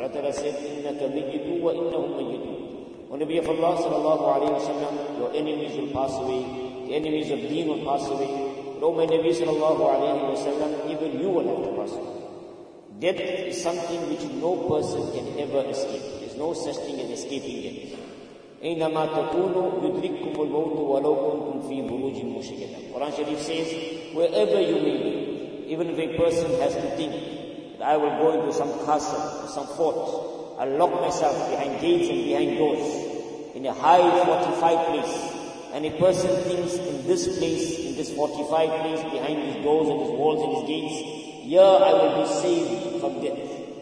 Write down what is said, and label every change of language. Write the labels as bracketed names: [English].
[English] Allah ta'ala said, [Arabic] innaka mayyitun wa innahum mayyitun. [English] O Nabi of Allah sallallahu alayhi wa sallam, your enemies will pass away, the enemies of deen will pass away. O my Nabi sallallahu alayhi wa sallam, even you will have to pass away. Death is something which no person can ever escape. There is no such thing as escaping death. [Arabic] أينما تكونوا يدرككم الموت ولو كنتم في بروج مشيدة. [English] Quran Sharif says, wherever you may be, even if a person has to think that I will go into some castle, some fort, I'll lock myself behind gates and behind doors, in a high fortified place, and a person thinks in this place, in this fortified place, behind his doors and his walls and his gates, here I will be saved from death.